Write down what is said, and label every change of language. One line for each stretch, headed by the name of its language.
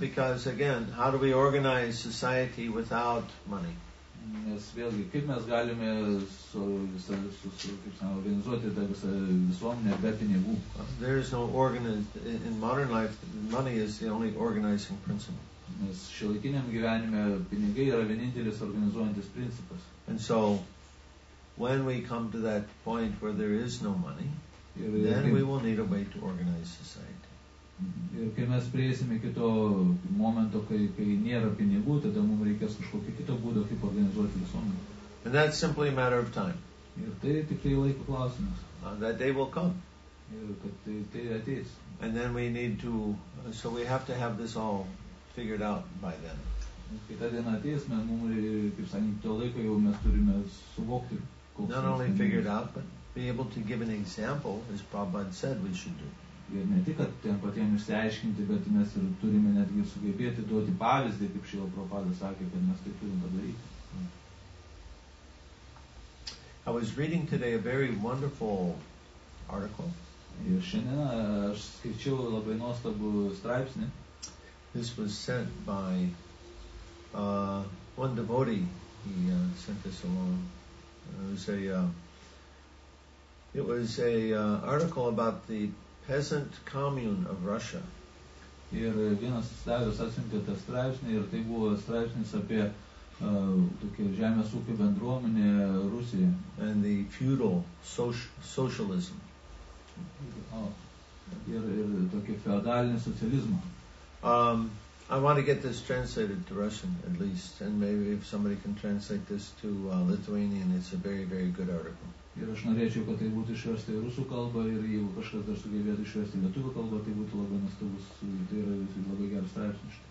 English: Because again, how do we organize society without money?
Lithuanian: Nes vėlgi, kaip mes galime organizuoti tą visą visuomenę be pinigų?
English: There is no in modern life, money is the only organizing principle.
Lithuanian: Nes šiuolaikiniam gyvenime pinigai yra vienintelis organizuojantis principas.
English: And so, when we come to that point where there is no money, then we will need a way to organize society.
Lithuanian: Ir kai mes prieisime kito momento, kai, kai nėra pinigų, tada mums reikės kažkokio kito būdo, kaip organizuoti visuomenę.
English: And that's simply a matter of time.
Lithuanian: Ir tai tikrai laiko klausimas.
English: That day will come.
Lithuanian: Ir kad tai ateis.
English: And then we need to, so we have to have this all figured out by then.
Lithuanian: Kita diena ateis, mes mums, kaip sakant, to laiko jau mes turime suvokti.
English: Not only figured out, but be able to give an example, as Prabhupada said we should do.
Lithuanian: Ir ne tik, kad ten patiems išsiaiškinti, bet mes ir turime netgi sugebėti duoti pavyzdį, kaip Šrila Prabhupada sakė, kad mes tai turim padaryti.
English: I was reading today a very wonderful article.
Lithuanian: Ir šiandien aš skaičiau labai nuostabų straipsnį.
English: This was sent by one devotee. He sent this along. It was an article about the peasant commune of Russia.
Lithuanian: Ir vienas stavius atsiuntė tą straipsnį, ir tai buvo straipsnis apie tokį žemės ūkio bendruomenę Rusiją.
English: And the feudal socialism.
Lithuanian: Ir tokį feodalinį socializmą.
English: I want to get this translated to Russian, at least. And maybe if somebody can translate this to Lithuanian, it's a very, very good article.
Lithuanian: Ir aš norėčiau, kad tai būtų išversta į rusų kalbą, ir jeigu kažkas dar sugebėtų išversti į lietuvių kalbą, tai būtų labai nuostabus, tai yra labai geras straipsnis.